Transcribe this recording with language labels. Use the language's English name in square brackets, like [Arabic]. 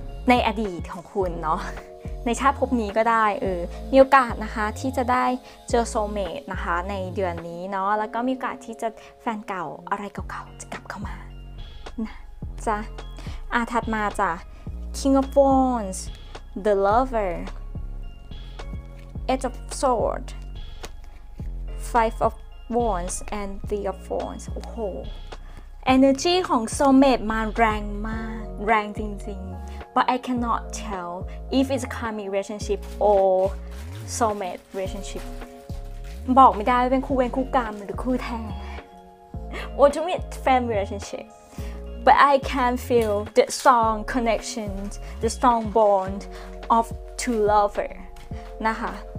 [Thai] ในอดีตของคุณเนาะในชาติภพนี้ก็ได้มีโอกาสนะคะที่จะได้เจอโซลเมทนะคะในเดือนนี้เนาะแล้วก็มีโอกาสที่จะแฟนเก่าอะไรเก่าๆจะกลับเข้ามานะจ๊ะถัดมาจ้ะ [English] King of WandsThe Lover, Eight of Swords, Five of Wands, and Three of Wands. [Thai] โอ้โห energy ของ soulmate มาแรงมากแรงจริงๆ [English] but I cannot tell if it's karmic relationship or soulmate relationship. [Thai] บอกไม่ได้ว่าเป็นคู่เวรคู่กรรมหรือคู่แท้ [English] ultimate family relationship. But I can feel the strong connections, the strong bond of two lovers. นะคะ